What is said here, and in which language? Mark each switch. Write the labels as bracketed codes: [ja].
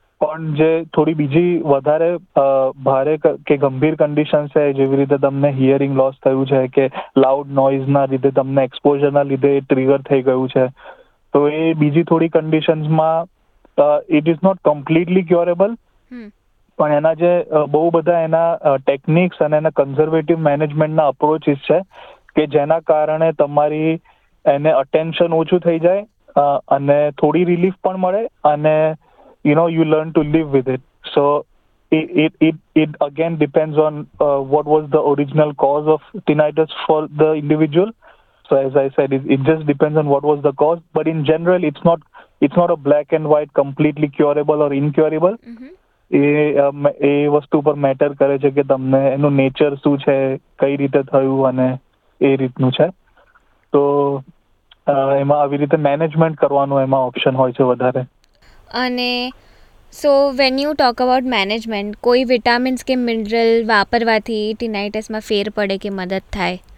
[gu] પણ જે થોડી બીજી વધારે ભારે કે ગંભીર કન્ડિશન છે, જેવી રીતે તમને હિયરિંગ લોસ થયું છે કે લાઉડ નોઇઝના લીધે તમને એક્સપોઝરના લીધે ટ્રિગર થઈ ગયું છે, તો એ બીજી થોડી કન્ડિશન્સમાં [en] it is not completely curable, [gu] પણ એના જે બહુ બધા એના ટેકનિક્સ અને એના કન્ઝર્વેટિવ મેનેજમેન્ટના અપ્રોચિસ છે કે જેના કારણે તમારી એને અટેન્શન ઓછું થઈ જાય અને થોડી રિલીફ પણ મળે અને [en] you know you learn to live with it. So it again depends on what was the original cause of tinnitus for the individual. So as I said, it just depends on what was the cause, but in general it's not a black and white completely curable or incurable. [gu] એ વસ્તુ પર matter કરે છે કે તમને એનું nature શું છે, કઈ રીતે થયું અને એ રીતનું છે. તો એમાં આવી રીતે મેનેજમેન્ટ કરવાનો એમાં ઓપ્શન હોય છે વધારે. અને [en] so when you talk about management, [gu] કોઈ વિટામિન્સ કે મિનરલ વાપરવાથી ટીનાઇટસમાં ફેર પડે કે મદદ થાય?